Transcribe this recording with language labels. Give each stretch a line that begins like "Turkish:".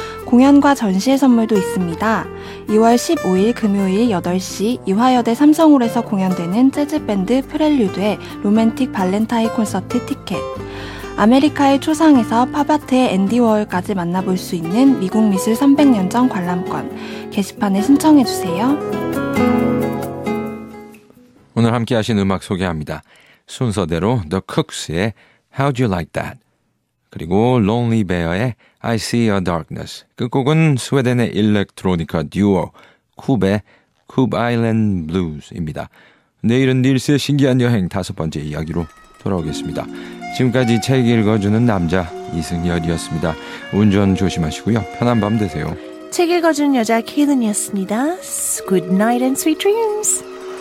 Korean: 공연과 전시의 선물도 있습니다. 2월 15일 금요일 8시 이화여대 삼성홀에서 공연되는 재즈밴드 프렐류드의 로맨틱 발렌타인 콘서트 티켓, 아메리카의 초상에서 팝아트의 앤디 워홀까지 만나볼 수 있는 미국 미술 300년전 관람권, 게시판에 신청해주세요. 오늘 함께 하신 음악 소개합니다. 순서대로 The Cooks의 How'd You Like That? 그리고 Lonely Bear의 I See a Darkness. 끝곡은 스웨덴의 일렉트로니카 듀오 쿱의 Cube Island Blues입니다. 내일은 닐스의 신기한 여행 다섯 번째 이야기로 돌아오겠습니다. 지금까지 책 읽어주는 남자 이승열이었습니다. 운전 조심하시고요. 편한 밤 되세요. 책 읽어주는 여자 케이든이었습니다.
English: Good night and sweet dreams.